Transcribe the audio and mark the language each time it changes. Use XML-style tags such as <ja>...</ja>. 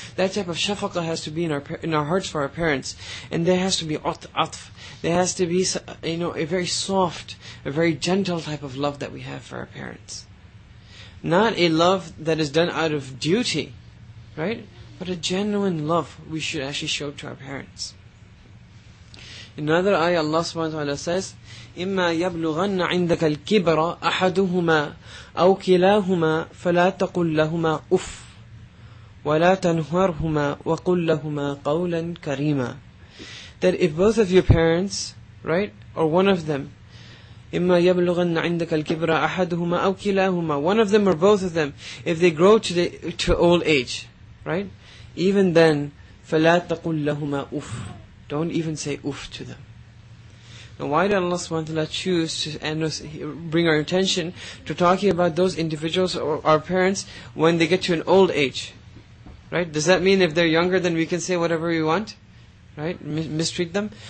<en>That type of shafaqa has to be in our hearts for our parents. And there has to be atf. There has to be, a very soft, a very gentle type of love that we have for our parents. Not a love that is done out of duty, right? But a genuine love we should actually show to our parents. In another ayah, Allah subhanahu wa ta'ala says,</en> <ar>إِمَّا يَبْلُغَنَّ عِنْدَكَ الْكِبْرَ أَحَدُهُمَا أَوْ كِلَاهُمَا فَلَا تَقُلْ لَهُمَا أُفْ وَلَا تَنْهَرْهُمَا وَقُلْ لَهُمَا قَوْلًا كَرِيمًا.</ar> <en>That if both of your parents, right, or one of them,</en> <ar>إِمَّا يَبْلُغَنَّ عِنْدَكَ الْكِبْرَ أَحَدُهُمَا أَوْ كِلَاهُمَا,</ar> <en>one of them or both of them, if they grow to old age, right? Even then,</en> <ar>فَلَا تَقُلْ لَهُمَا أُفْ.</ar> <en>Don't even say أُفْ to them. Now why did Allah subhanahu wa ta'ala choose to bring our attention to talking about those individuals or our parents when they get to an old age? Right? Does that mean if they're younger then we can say whatever we want? Right? Mistreat them?</en>